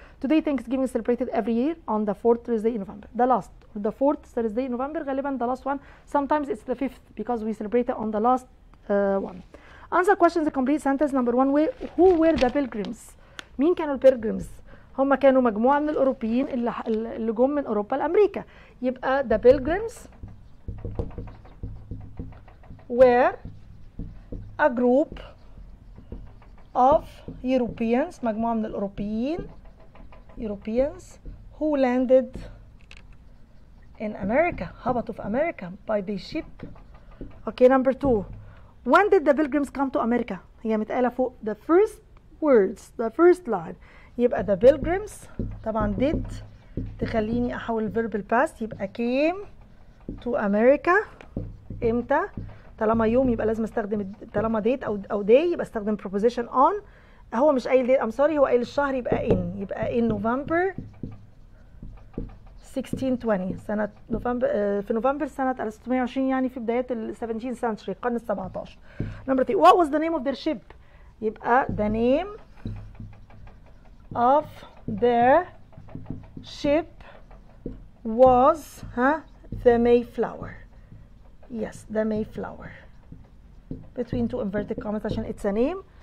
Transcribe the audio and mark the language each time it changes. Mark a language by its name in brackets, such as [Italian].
[English] Today Thanksgiving is celebrated every year on the 4th Thursday in November, the last, the 4th Thursday in November [Arabic] غالبا [English] the last one, sometimes it's the 5th because we celebrate it on the last one. Answer questions the complete sentence. Number one, who were the pilgrims? [Arabic] مين كانوا البيلجرمز؟ هم كانوا مجموعة من الأوروبيين اللي جم من أوروبا لأمريكا, يبقى [English] the pilgrims were a group of Europeans, [Arabic] مجموعة من الأوروبيين, [English] Europeans who landed in America, [Arabic] هبطوا في America [English] by the ship. Okay, number two, when did the pilgrims come to America? [Arabic] هي متقالة فوق, [English] the first words, the first line, [Arabic] يبقى [English] the pilgrims, [Arabic] طبعا did تخليني أحول verb past, يبقى [English] came to America, [Arabic] إمتى؟ طالما يوم يبقى لازم استخدم, طالما date أو day يبقى استخدم [English] preposition on. [Arabic] هو مش قايل ديت, ام سوري, هو قايل الشهر, يبقى ان, يبقى ان نوفمبر 1620, سنه نوفمبر, في نوفمبر سنه 1620, يعني في بدايات ال [English] 17th century, [Arabic] القرن ال 17. نمبر 3, [English] what was the name of their ship? [Arabic] يبقى [English] the name of their ship was, ها, the Mayflower. Yes, the Mayflower, between two inverted commas, عشان it's a name.